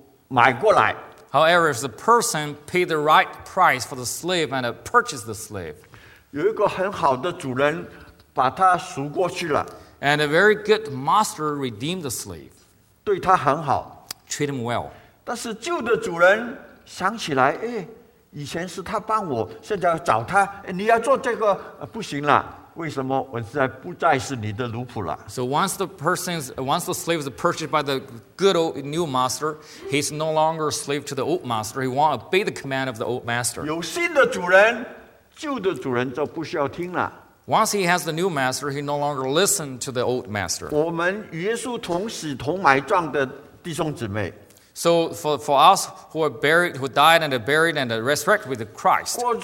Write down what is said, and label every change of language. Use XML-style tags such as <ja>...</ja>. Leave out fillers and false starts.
<en>However, if the person paid the right price for the slave and purchased the slave,</en> <zh>有一个很好的主人把他赎过去了。</zh> <en>And a very good master redeemed the slave.</en> <zh>对他很好。</zh> <en>Treat him well.</en> <zh>但是旧的主人想起来，哎，以前是他帮我，现在要找他，你要做这个，不行了。为什么？我现在不再是你的奴仆了。</zh> <en>So once the slave is purchased by the good old new master, he's no longer a slave to the old master. He won't obey the command of the old master.</en> <zh>有新的主人。旧的主人就不需要听了。</zh> <en>Once he has the new master, he no longer listens to the old master.</en> <zh>我们与耶稣同死同埋葬的弟兄姊妹,</zh> <en>so for us who are buried, who died and are buried and are resurrected with Christ,</en>